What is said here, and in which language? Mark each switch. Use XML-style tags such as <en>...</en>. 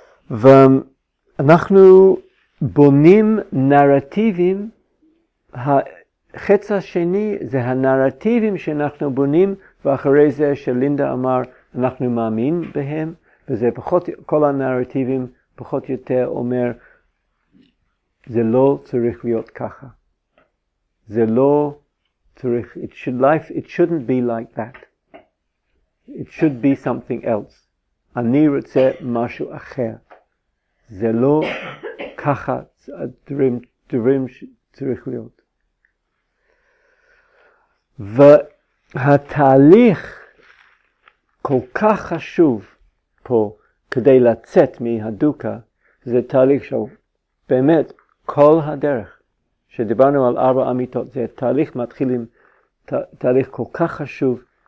<he>ואנחנו בונים נרטיבים, החץ השני זה הנרטיבים שאנחנו בונים, ואחרי זה שלינדה אמר, אנחנו מאמין בהם, וזה פחות, כל הנרטיבים פחות יותר אומר, זה לא צריך להיות ככה. זה לא צריך,</he> <en>it shouldn't be like that. It should be something else.</en> <he>אני רוצה משהו אחר. זה לא ככה הדברים שצריך להיות. והתהליך כל כך חשוב פה כדי לצאת מהדוקה, זה תהליך של באמת כל הדרך שדיברנו על 4 אמיתות, זה תהליך מתחיל עם תהליך כל כך חשוב.</he>